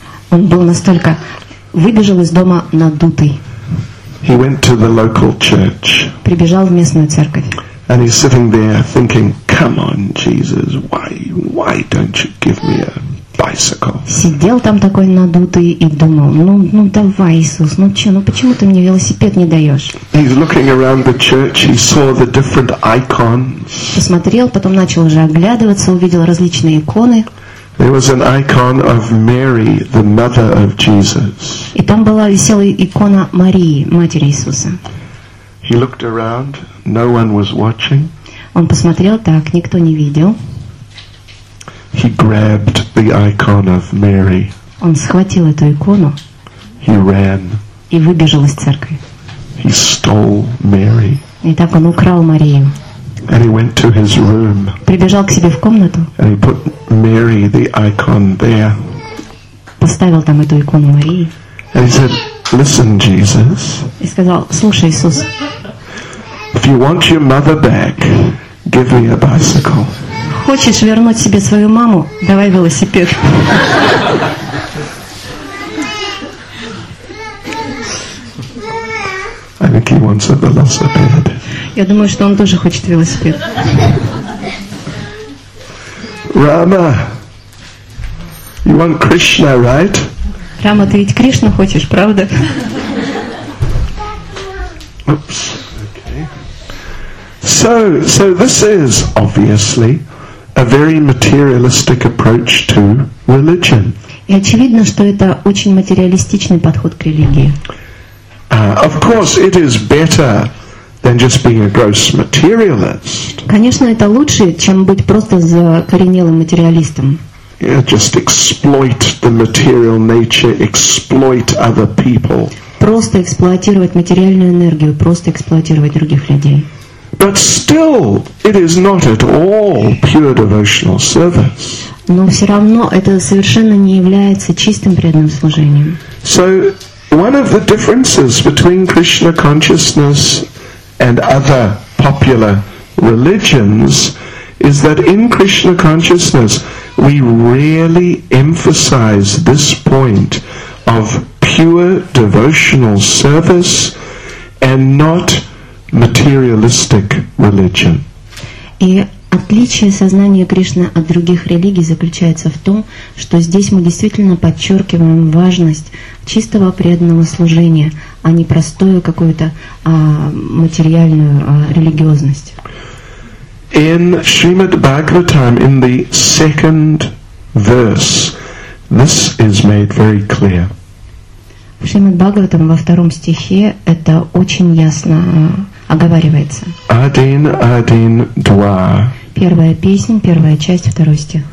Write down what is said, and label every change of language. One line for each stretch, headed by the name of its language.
Russian: Он был настолько выбежал из дома надутый.
English: He went to the local church.
Russian: Прибежал в местную церковь.
English: And he's sitting there thinking, "Come on, Jesus, why don't you give me a bicycle?"
Russian: Сидел там такой надутый и думал, ну давай, Иисус, ну че, ну почему ты мне велосипед не даешь?
English: He's looking around the church. He saw the different icons.
Russian: Посмотрел, потом начал уже оглядываться, увидел различные иконы.
English: There was an icon of Mary, the mother of Jesus.
Russian: И там была висела икона Марии, матери Иисуса.
English: He looked around. No one was watching.
Russian: Он посмотрел так, никто не видел.
English: He grabbed the icon of Mary.
Russian: Он схватил эту икону.
English: He ran.
Russian: И выбежал из церкви.
English: He stole Mary.
Russian: И так он украл Марию.
English: And he went to his room.
Russian: Прибежал к себе в комнату.
English: And he put Mary, the icon, there.
Russian: Поставил там эту икону Марии.
English: And he said, "Listen, Jesus."
Russian: И сказал, слушай, Иисус.
English: If you want your mother back, give me a bicycle.
Russian: Хочешь вернуть себе свою маму? Давай велосипед.
English: I think he wants a velocipede.
Russian: Я думаю, что он тоже хочет велосипед.
English: Rama, you want Krishna, right?
Russian: Рама, ты ведь Кришну хочешь, правда?
English: Oops. So this is obviously a very materialistic approach to religion.
Russian: И очевидно, что это очень материалистичный подход к религии.
English: Of course, it is better than just being a gross materialist.
Russian: Конечно, это лучше, чем быть просто закоренелым материалистом.
English: Yeah, just exploit the material nature, exploit other people.
Russian: Просто эксплуатировать материальную энергию, просто эксплуатировать других людей.
English: But still, it is not at all pure devotional service.
Russian: Но все равно это совершенно не является чистым преданным служением.
English: So, one of the differences between Krishna consciousness and other popular religions is that in Krishna consciousness, we really emphasize this point of pure devotional service and not materialistic religion.
Russian: И Отличие сознания Кришны от других религий заключается в том, что здесь мы действительно подчеркиваем важность чистого преданного служения, а не простую какую-то материальную религиозность.
English: In Srimad Bhagavatam, in the second verse, this is made very clear.
Russian: В Шримад Бхагаватам во втором стихе это очень ясно оговаривается. Один, один, два. Первая песня, первая часть, второй стих.